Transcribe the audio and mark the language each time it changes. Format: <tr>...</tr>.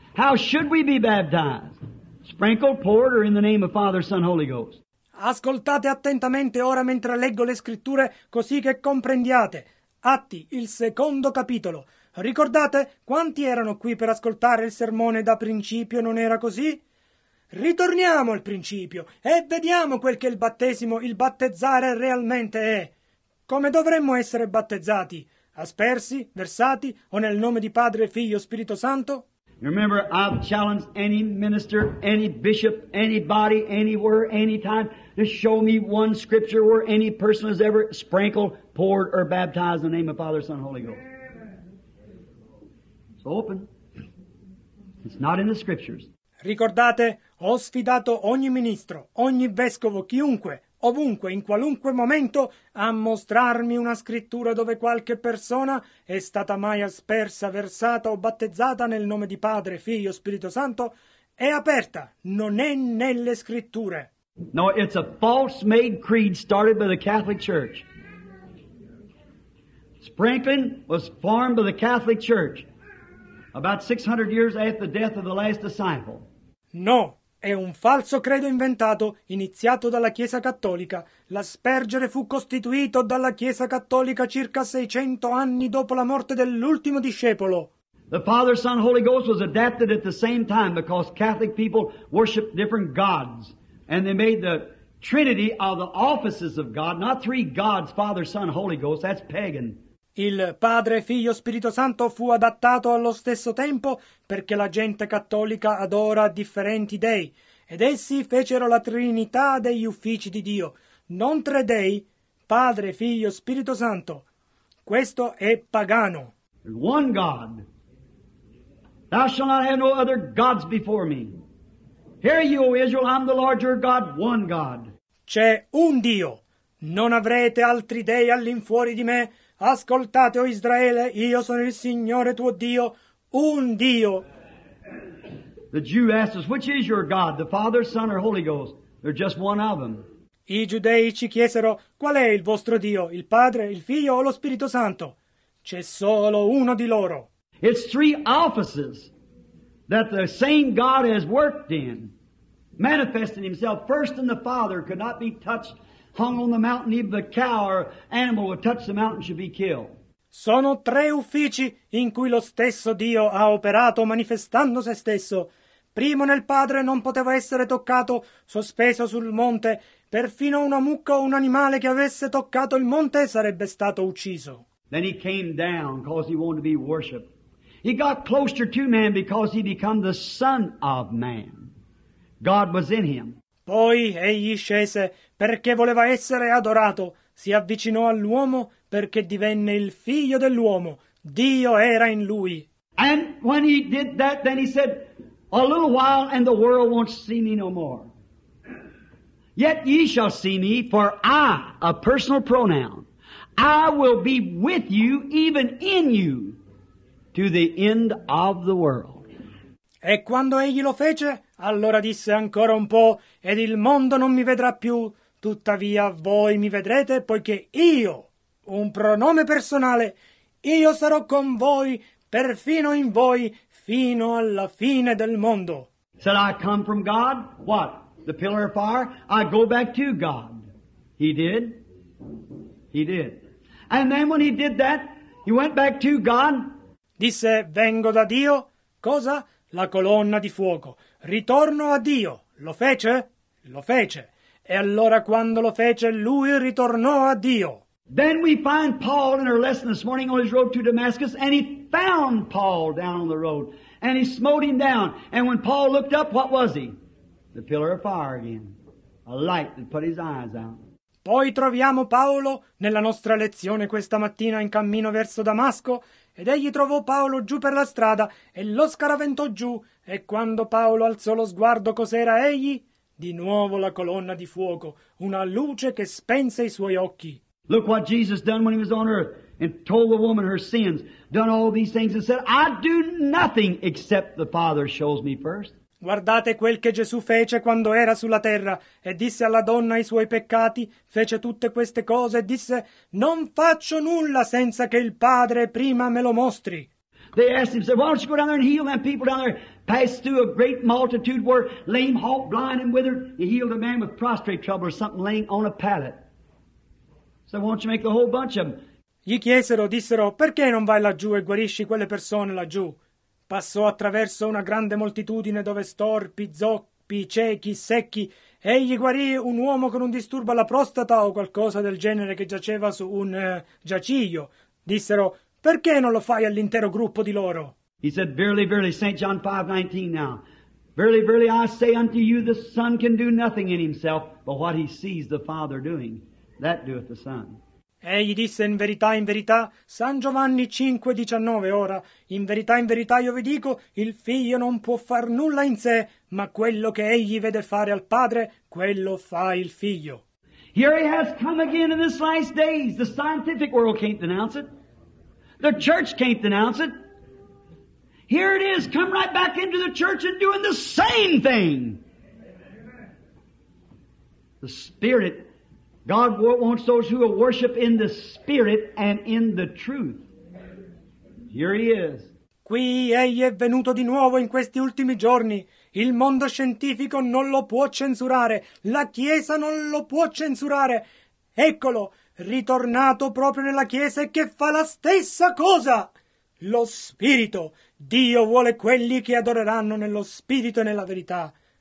<en>How should we be baptized? Sprinkled, poured, or in the name of Father, Son, Holy Ghost?</en> <it>Ascoltate attentamente ora mentre leggo le scritture così che comprendiate. Atti, il secondo capitolo. Ricordate quanti erano qui per ascoltare il sermone da principio, non era così? Ritorniamo al principio e vediamo quel che il battesimo, il battezzare realmente è. Come dovremmo essere battezzati? Aspersi, versati o nel nome di Padre, Figlio, Spirito Santo?</it> <en>Remember, I've challenged any minister, any bishop, anybody, anywhere, anytime, to show me one scripture where any person has ever sprinkled, poured, or baptized in the name of Father, Son, Holy Ghost. It's open. It's not in the scriptures.</en> <it>Ricordate, ho sfidato ogni ministro, ogni vescovo, chiunque, ovunque, in qualunque momento, a mostrarmi una scrittura dove qualche persona è stata mai aspersa, versata o battezzata nel nome di Padre, Figlio, Spirito Santo, è aperta, non è nelle scritture.</it> <en>No, it's a false made creed started by the Catholic Church. Sprinkling was formed by the Catholic Church about 600 years after the death of the last disciple.</en> <it>No, è un falso credo inventato, iniziato dalla Chiesa Cattolica. L'aspergere fu costituito dalla Chiesa Cattolica circa 600 anni dopo la morte dell'ultimo discepolo.</it> <en>The Father, Son, Holy Ghost was adapted at the same time because Catholic people worshiped different gods. And they made the Trinity of the offices of God, not three gods, Father, Son, Holy Ghost, that's pagan.</en> <it>Il Padre, Figlio, Spirito Santo fu adattato allo stesso tempo perché la gente cattolica adora differenti dei ed essi fecero la Trinità degli uffici di Dio, non tre dei, Padre, Figlio, Spirito Santo. Questo è pagano.</it> <en>One God. Thou shalt not have no other gods before me. Hear you, O Israel, I'm the Lord your God, one God.</en> <it>C'è un Dio. Non avrete altri dei all'infuori di me. Ascoltate, o Israele, io sono il Signore tuo Dio, un Dio.</it> <en>The Jew asks us, which is your God, the Father, Son, or Holy Ghost? They're just one of them.</en> <it>I giudei ci chiesero, qual è il vostro Dio, il Padre, il Figlio o lo Spirito Santo? C'è solo uno di loro.</it> <en>It's three offices that the same God has worked in, manifesting himself first in the Father, could not be touched. Hung on the mountain, even the cow or animal would touch the mountain should be killed.</en> <it>Sono tre uffici in cui lo stesso Dio ha operato manifestando se stesso. Primo nel Padre non poteva essere toccato, sospeso sul monte. Perfino una mucca o un animale che avesse toccato il monte sarebbe stato ucciso.</it> <en>Then he came down because he wanted to be worshipped. He got closer to man because he became the Son of Man. God was in him.</en> <it>Poi egli scese perché voleva essere adorato, si avvicinò all'uomo perché divenne il figlio dell'uomo, Dio era in lui.</it> <en>And when he did that, then he said, a little while and the world won't see me no more. Yet ye shall see me, for I, a personal pronoun, I will be with you, even in you, to the end of the world.</en> <it>E quando egli lo fece, Allora disse ancora un po', ed il mondo non mi vedrà più, tuttavia voi mi vedrete, poiché io, un pronome personale, io sarò con voi, perfino in voi, fino alla fine del mondo.</it> <en>Said I come from God, what? The pillar of fire? I go back to God. He did. He did. And then when he did that, he went back to God.</en> <it>Disse, vengo da Dio. Cosa? La colonna di fuoco. Ritorno a Dio. Lo fece? Lo fece. E allora quando lo fece, lui ritornò a Dio.</it> <en>Then we find Paul in our lesson this morning on his road to Damascus, and he found Paul down on the road, and he smote him down. And when Paul looked up, what was he? The pillar of fire again. A light that put his eyes out.</en> <it>Poi troviamo Paolo nella nostra lezione questa mattina in cammino verso Damasco, ed egli trovò Paolo giù per la strada e lo scaraventò giù, e quando Paolo alzò lo sguardo cos'era egli? Di nuovo la colonna di fuoco, una luce che spense i suoi occhi.</it> <en>Look what Jesus done when he was on earth and told the woman her sins, done all these things and said, I do nothing except the Father shows me first.</en> <it>Guardate quel che Gesù fece quando era sulla terra e disse alla donna i suoi peccati, fece tutte queste cose e disse, non faccio nulla senza che il Padre prima me lo mostri.</it> <en>They asked him, said, why don't you go down there and heal them people down there? Passed through a great multitude where lame, halt, blind and withered. He healed a man with prostrate trouble or something laying on a pallet. So why don't you make the whole bunch of them?</en> <it>Gli chiesero, dissero, perché non vai laggiù e guarisci quelle persone laggiù? Passò attraverso una grande moltitudine dove storpi, zoppi, ciechi, secchi. Egli guarì un uomo con un disturbo alla prostata o qualcosa del genere che giaceva su un giaciglio. Dissero, perché non lo fai all'intero gruppo di loro?</it> <en>He said, verily, verily, St. John 5:19 now. Verily, verily, I say unto you, the Son can do nothing in himself, but what he sees the Father doing, that doeth the Son.</en> <it>Egli disse in verità, San Giovanni 5:19 ora, in verità io vi dico, il figlio non può far nulla in sé, ma quello che egli vede fare al padre, quello fa il figlio.</it> <en>Here he has come again in this last days. The scientific world can't denounce it. The church can't denounce it. Here it is, come right back into the church and doing the same thing. The Spirit. God wants those who will worship in the Spirit and in the truth. Here he is.</en> <it>Qui egli è venuto di nuovo in questi ultimi giorni. Il mondo scientifico non lo può censurare. La Chiesa non lo può censurare. Eccolo, ritornato proprio nella Chiesa e che fa la stessa cosa. Lo Spirito. Dio vuole quelli che adoreranno nello Spirito e nella verità.</it>